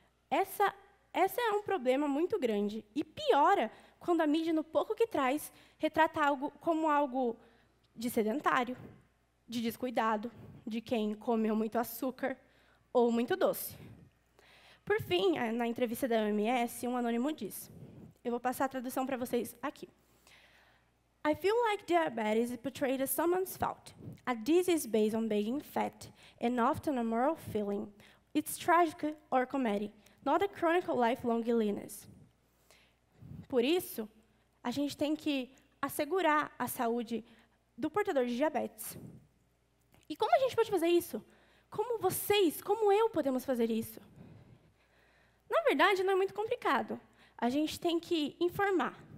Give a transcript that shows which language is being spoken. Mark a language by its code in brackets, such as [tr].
[pt] Essa é um problema muito grande. E piora quando a mídia, no pouco que traz, retrata algo como algo de sedentário, de descuidado, de quem comeu muito açúcar ou muito doce. Por fim, na entrevista da OMS, um anônimo diz, eu vou passar a tradução para vocês aqui. [en] I feel like diabetes is portrayed as someone's fault. A disease based on being fat and often a moral feeling. It's tragic or comedy. Not a chronic lifelong illness. [pt] Por isso, a gente tem que assegurar a saúde do portador de diabetes. E como a gente pode fazer isso? Como vocês, como eu podemos fazer isso? Na verdade, não é muito complicado. A gente tem que informar.